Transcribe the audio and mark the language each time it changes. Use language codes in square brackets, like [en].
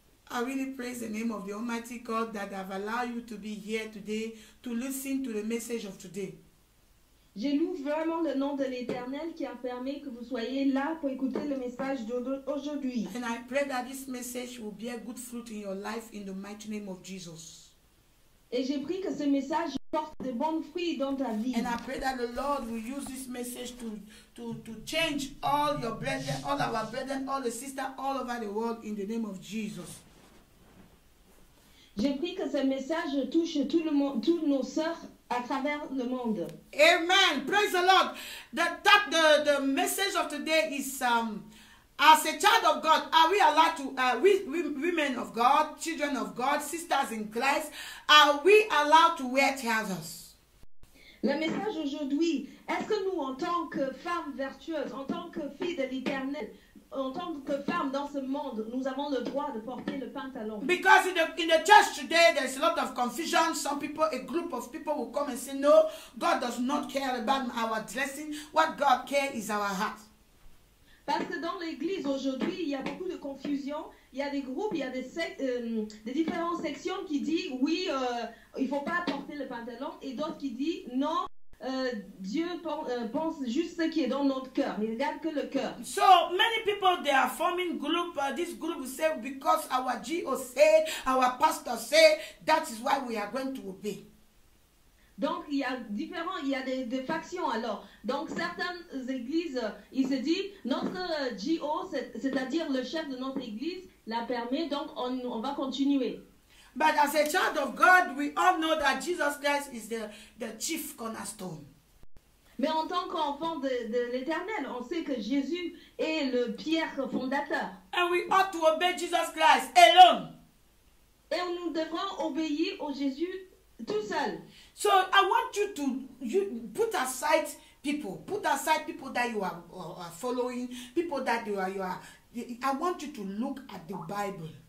[en] I really praise the name of the Almighty God that have allowed you to be here today to listen to the message of today. [fr] Je loue vraiment le nom de l'Éternel qui a permis que vous soyez là pour écouter le message d'aujourd'hui. [en] And I pray that this message will bear good fruit in your life in the mighty name of Jesus. [fr] Et j'ai prié que ce message porte de bons fruits dans ta vie. [en] And I pray that the Lord will use this message to change all your brethren, all our brethren, all the sisters all over the world in the name of Jesus. [fr] J'ai prié que ce message touche tout le monde, tous nos sœurs à travers le monde. [en] Amen. Praise the Lord. The message of today is as a child of God, are we allowed to, women of God, children of God, sisters in Christ, are we allowed to wear trousers? [fr] Le message aujourd'hui, est-ce que nous, en tant que femmes vertueuses, en tant que filles de l'Éternel, en tant que femmes dans ce monde, nous avons le droit de porter le pantalon? [en] Because in the church today, there's a lot of confusion. Some people, a group of people will come and say, no, God does not care about our dressing. What God cares is our heart. [fr] Parce que dans l'église aujourd'hui, il y a beaucoup de confusion. Il y a des groupes, il y a des différentes sections qui disent oui, il ne faut pas porter le pantalon. Et d'autres qui disent non, Dieu pense juste ce qui est dans notre cœur. Il ne regarde que le cœur. [en] So many people, they are forming group. This group say because our GO say, our pastor say, that is why we are going to obey. [fr] Donc, il y a différents, il y a des factions alors. Donc, certaines églises, ils se disent, notre GO, c'est-à-dire le chef de notre église, l'a permis, donc on va continuer. [en] But as a child of God, we all know that Jesus Christ is the chief cornerstone. [fr] Mais en tant qu'enfant de l'Éternel, on sait que Jésus est le pierre fondateur. [en] And we ought to obey Jesus Christ alone. [fr] Et nous devons obéir au Jésus tout seul. [en] So I want you to put aside people that you are following, people that you are. I want you to look at the Bible.